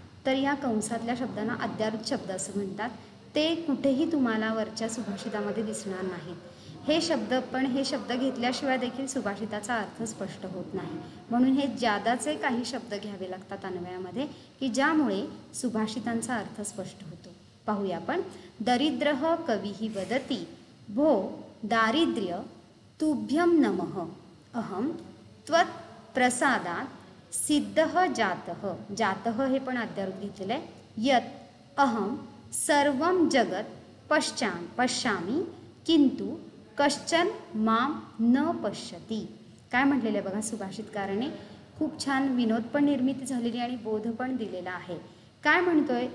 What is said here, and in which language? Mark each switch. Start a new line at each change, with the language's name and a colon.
Marathi: तर या कंसातल्या शब्दांना अध्यारूढ शब्द असं म्हणतात. ते कुठेही तुम्हाला वरच्या सुभाषितामध्ये दिसणार नाहीत हे शब्द, पण हे शब्द घेतल्याशिवाय देखील सुभाषिताचा अर्थ स्पष्ट होत नाही. म्हणून हे ज्यादाचे काही शब्द घ्यावे लागतात अन्वयामध्ये, की ज्यामुळे सुभाषितांचा अर्थ स्पष्ट होतो. पाहूया आपण.
Sanskrit: दरिद्रः कविही वदति, भो दारिद्र्य तुभ्यं नमः अहं त्वत् प्रसादात् सिद्धः जातः.
Marathi: जातः हे पण अध्यारूप घेतलेलं आहे.
Sanskrit: यत् अहं सर्वं जगत् पश्यामि किंतु कश्चन माम न पश्यति.
Marathi: काय म्हटलेलं आहे बघा सुभाषितकाराने. खूप छान विनोद पण निर्मिती झालेली आणि बोध पण दिलेला आहे. काय म्हणतोय?